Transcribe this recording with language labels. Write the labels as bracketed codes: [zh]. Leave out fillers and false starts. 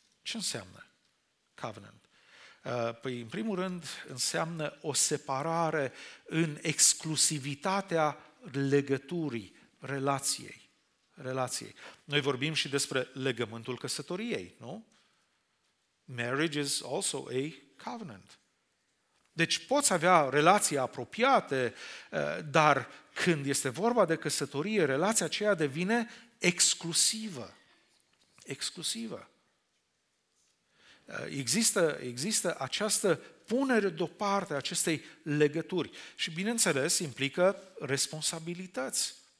[ro] Ce înseamnă covenant? Păi, în primul rând, înseamnă o separare în exclusivitatea legăturii, relației. Noi vorbim și despre legământul căsătoriei, nu? [en] Marriage is also a covenant. [ro] Deci poți avea relații apropiate, dar când este vorba de căsătorie, relația aceea devine exclusivă. Exclusivă. Există această punere deoparte a acestei legături și, bineînțeles, implică responsabilități.